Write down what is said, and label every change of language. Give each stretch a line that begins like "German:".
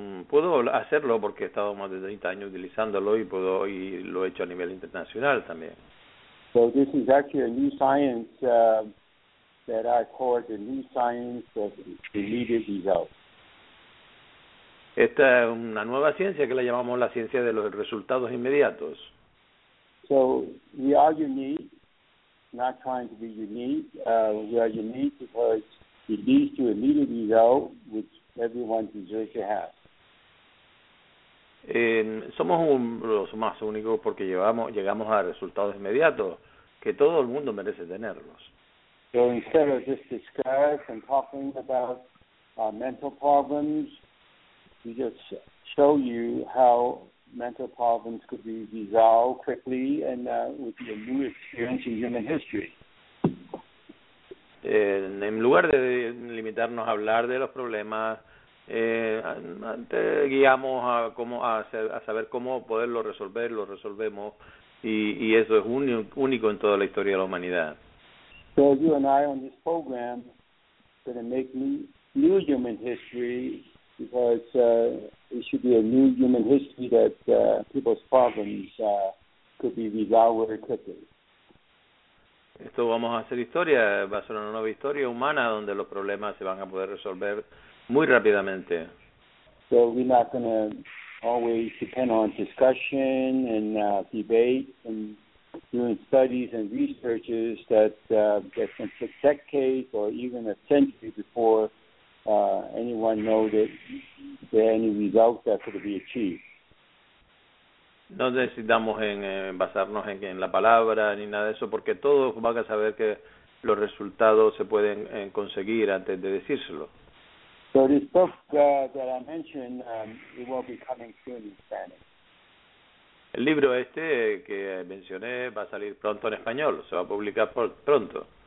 Spanish: Puedo hacerlo porque he estado más de 30 años utilizándolo y lo he hecho a nivel internacional también.
English: So this is actually a new science that I call the new science of deleted results.
Spanish: Esta es una nueva ciencia que la llamamos la ciencia de los resultados inmediatos.
English: So we are unique, not trying to be unique. We are unique because it leads to immediate results, which everyone deserves to have.
Spanish: Somos los más únicos porque llegamos a resultados inmediatos que todo el mundo merece tenerlos.
English: So instead of just discuss and talking about mental problems, we just show you how mental problems could be resolved quickly and with your new experience in human history.
Spanish: En lugar de limitarnos a hablar de los problemas, te guiamos a saber cómo poderlo resolver, lo resolvemos y eso es único en toda la historia de la humanidad.
English: So you and I on this program are going to make new human history because it should be a new human history that people's problems could be resolved very quickly.
Spanish: Esto vamos a hacer historia, va a ser una nueva historia humana donde los problemas se van a poder resolver muy rápidamente.
English: So we're not going to always depend on discussion and debate and doing studies and researches that that can take decades or even a century before anyone knows that there are any results that could be achieved.
Spanish: No necesitamos en basarnos en la palabra ni nada de eso, porque todos van a saber que los resultados se pueden conseguir antes de decírselo.
English: So this book that I mentioned, it will be coming soon in Spanish.
Spanish: El libro este que mencioné va a salir pronto en español, se va a publicar pronto.